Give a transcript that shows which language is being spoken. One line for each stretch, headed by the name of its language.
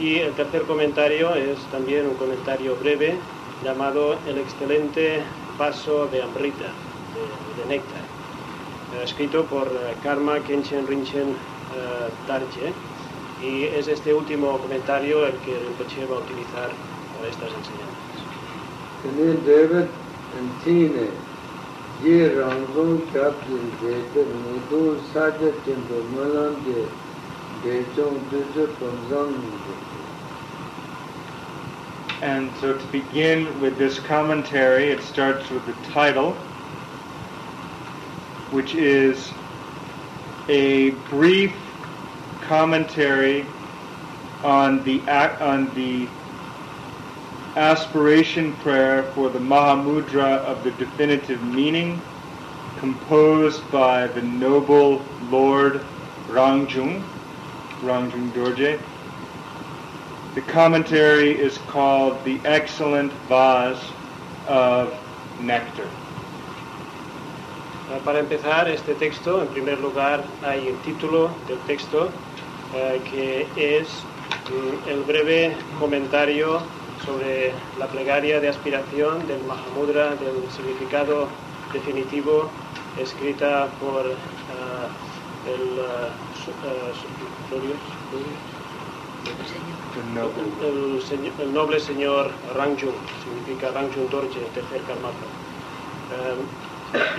Spanish: Y el tercer comentario es también un comentario breve llamado El excelente paso de Amrita, de Néctar, escrito por Karma Kenchen Rinchen Dargye. Y es este último comentario el que Rinpoche va a utilizar para estas enseñanzas. ये रंगों का दिल देते मुझे साज़े चिंतु मलां दे देखों दूसरे कमज़ान मुझे.
English: And so to begin with this commentary, it starts with the title, which is a brief commentary on the aspiration prayer for the Mahamudra of the definitive meaning, composed by the noble Lord Rangjung Dorje. The commentary is called The Excellent Vase of Nectar.
Spanish: Para empezar este texto, en primer lugar hay el título del texto que es el breve comentario sobre la plegaria de aspiración del Mahamudra del significado definitivo, escrita por el noble señor Rangjung, significa Rangjung Dorje, tercer Karmapa.